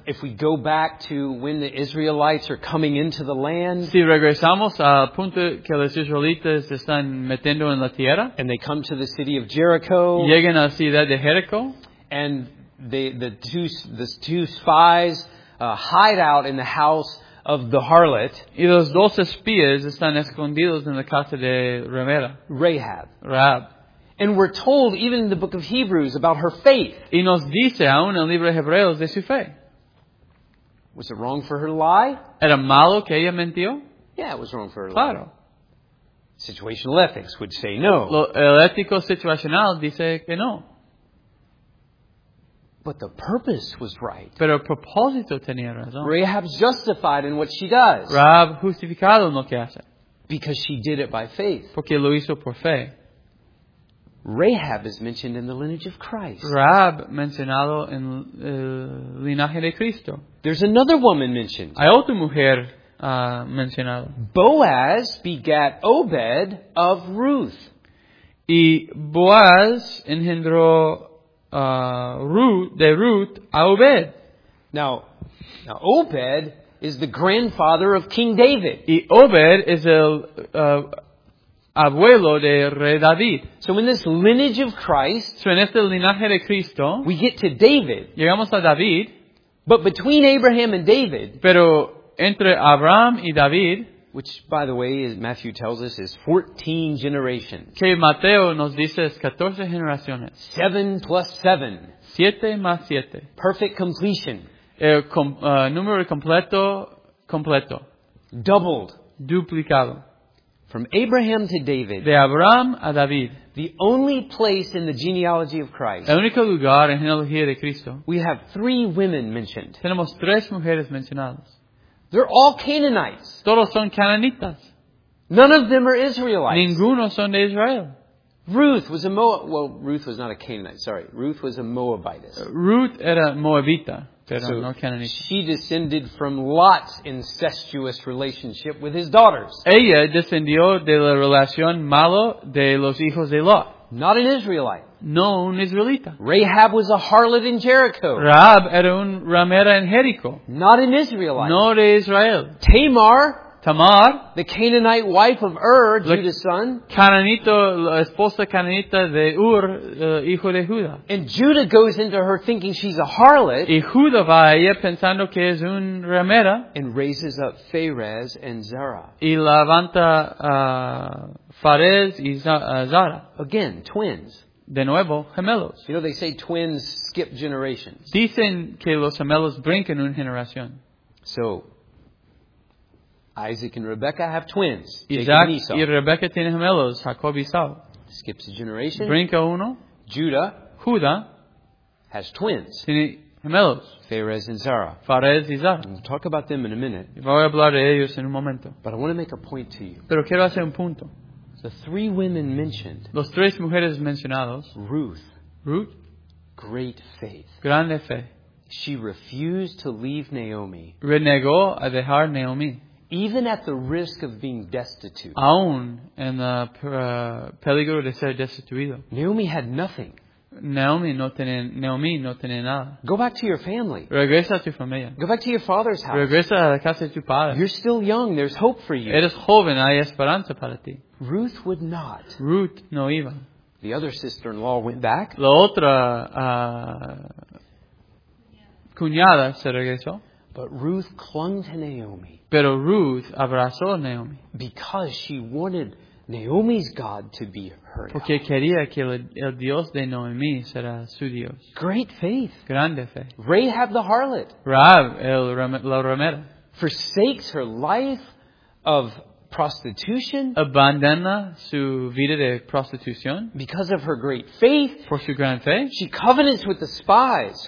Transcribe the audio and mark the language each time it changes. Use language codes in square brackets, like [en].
[en] If we go back to when the Israelites are coming into the land, [es] si regresamos al punto que los israelitas están metiendo en la tierra, [en] and they come to the city of Jericho, [es] llegan a la ciudad de Jericho, [en] and the two spies hide out in the house of the harlot, [es] y los dos espías están escondidos en la casa de Ramera, [en] Rahab. And we're told, even in the book of Hebrews, about her faith. [es] Y nos dice aún el libro de Hebreos de su fe. [en] Was it wrong for her to lie? [es] ¿Era malo que ella mentió? [en] Yeah, it was wrong for her to [es] claro. [en] lie. [es] Claro. [en] Situational ethics would say no. [es] El ético situacional dice que no. [en] But the purpose was right. [es] Pero el propósito tenía razón. [en] Rahab's justified in what she does. [es] Rahab justificado en lo que hace. [en] Because she did it by faith. [es] Porque lo hizo por fe. [en] Rahab is mentioned in the lineage of Christ. [es] Rahab mencionado en el linaje de Cristo. [en] There's another woman mentioned. [es] Hay otra mujer mencionada. [en] Boaz begat Obed of Ruth. [es] Y Boaz engendró de Ruth a Obed. [en] Now Obed is the grandfather of King David. [es] Y Obed es el abuelo de Rey David. [en] So in this lineage of Christ, [es] so en este linaje de Cristo, [en] we get to David. [es] Llegamos a David. [en] But between Abraham and David, [es] pero entre Abraham y David, [en] which by the way, as Matthew tells us, is 14 generations. [es] Que Mateo nos dice es 14 generaciones. [en] 7 plus 7. [es] 7 más 7. [en] Perfect completion. [es] Número completo. [en] Doubled. [es] Duplicado. [en] From Abraham to David. [es] De Abraham a David. [en] The only place in the genealogy of Christ. [es] El único lugar en la genealogía de Cristo. [en] We have three women mentioned. [es] Tenemos tres mujeres mencionadas. [en] They're all Canaanites. [es] Todos son cananitas. [en] None of them are Israelites. [es] Ninguno son de Israel. [en] Ruth was not a Canaanite. Sorry. Ruth was a Moabitess. [es] Ruth era Moabita. So [en] she descended from Lot's incestuous relationship with his daughters. [es] Ella descendió de la relación malo de los hijos de Lot. [en] Not an Israelite. [es] No, un israelita. [en] Rahab was a harlot in Jericho. [es] Rahab era un ramera en Jericho. [en] Not an Israelite. [es] No de Israel. [en] Tamar, the Canaanite wife of Judah's son. [es] Cananito, la esposa cananita de hijo de Judah. [en] And Judah goes into her thinking she's a harlot. [es] Y Judah va a ella pensando que es un ramera. [en] And raises up Phares and Zerah. [es] Y levanta Phares y Zerah. [en] Again, twins. [es] De nuevo, gemelos. [en] You know, they say twins skip generations. [es] Dicen que los gemelos brincan una generación. [en] So, Isaac and Rebecca have twins. [es] Isaac [en] Jacob and Esau. [es] Y Rebecca tiene gemelos, Jacob y Esau. [en] Skips a generation. [es] Brinca uno. [en] Judah. [es] Judah. [en] Has twins. [es] Tiene gemelos. [en] Phares and Zerah. [es] Phares y Zerah. [en] We'll talk about them in a minute. [es] Voy a hablar de ellos en un momento. [en] But I want to make a point to you. [es] Pero quiero hacer un punto. [en] The three women mentioned. [es] Los tres mujeres mencionados. [en] Ruth. Great faith. [es] Grande fe. [en] She refused to leave Naomi. [es] Renegó a dejar Naomi. [en] Even at the risk of being destitute. [es] Aún en el peligro de ser destituido. [en] Naomi had nothing. [es] Naomi no tenía nada. [en] Go back to your family. [es] Regresa a tu familia. [en] Go back to your father's house. [es] Regresa a la casa de tu padre. [en] You're still young. There's hope for you. [es] Eres joven. Hay esperanza para ti. [en] Ruth would not. [es] Ruth no iba. [en] The other sister-in-law went back. [es] La otra cuñada se regresó. [en] But Ruth clung to Naomi. [es] Pero Ruth abrazó a Naomi. [en] Because she wanted Naomi's God to be her. [es] Porque quería que el Dios de Naomi será su Dios. [en] Great faith. [es] Grande fe. [en] Rahab the harlot. [es] Rahab el la ramera. [en] Forsakes her life of prostitution. [es] Abandona su vida de prostitución. [en] Because of her great faith. [es] Por su gran fe. [en] She covenants with the spies.